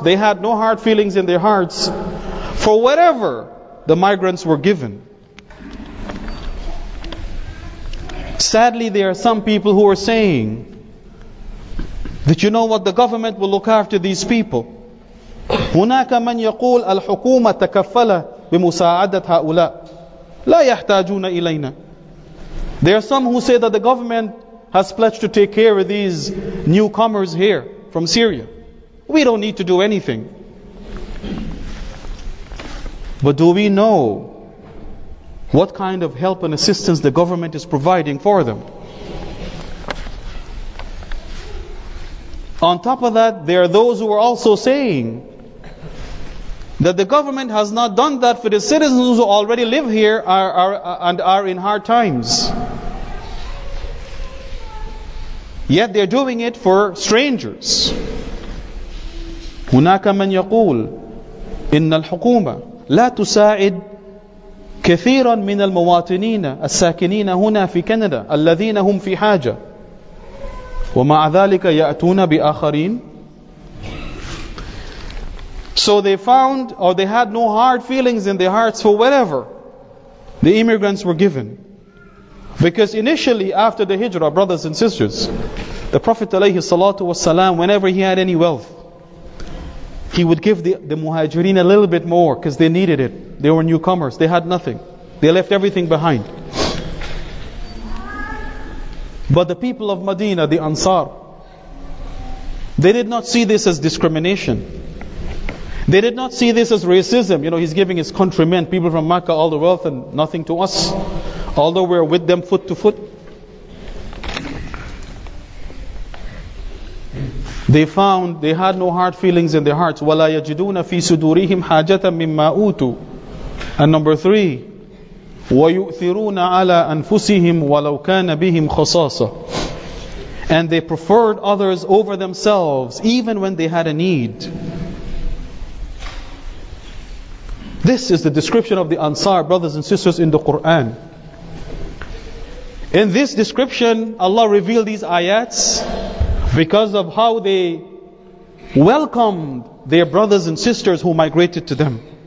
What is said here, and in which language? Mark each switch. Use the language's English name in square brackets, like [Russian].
[English] They had no hard feelings in their hearts for whatever the migrants were given. Sadly, there are some people who are saying that, you know what, the government will look after these people. [Arabic] هناك من يقول الحكومة تكفل بمساعدة هؤلاء لا يحتاجون إلينا. [English] There are some who say that the government has pledged to take care of these newcomers here from Syria. We don't need to do anything. But do we know what kind of help and assistance the government is providing for them? On top of that, there are those who are also saying that the government has not done that for the citizens who already live here and are in hard times. Yet they're doing it for strangers. [Arabic] هناك من يقول إن الحكومة لا تساعد كثيرا من المواطنين الساكنين هنا في كندا الذين هم في حاجة، ومع ذلك يأتون بآخرين. [English] So they found, or they had no hard feelings in their hearts for whatever the immigrants were given. Because initially after the hijrah, brothers and sisters, the Prophet alayhi salatu wasalam, whenever he had any wealth, he would give the muhajirin a little bit more because they needed it. They were newcomers. They had nothing. They left everything behind. But the people of Medina, the Ansar, they did not see this as discrimination. They did not see this as racism. You know, he's giving his countrymen, people from Makkah, all the wealth and nothing to us, although we're with them foot to foot. They found they had no hard feelings in their hearts. [Arabic] وَلَا يَجِدُونَ فِي سُدُورِهِمْ حَاجَةً مِمَّا أُوتُوا. [English] And number three, [Arabic] وَيُؤْثِرُونَ عَلَىٰ أَنفُسِهِمْ وَلَوْ كَانَ بِهِمْ خَصَاصَةً. [English] And they preferred others over themselves, even when they had a need. This is the description of the Ansar, brothers and sisters, in the Quran. In this description, Allah revealed these ayats because of how they welcomed their brothers and sisters who migrated to them.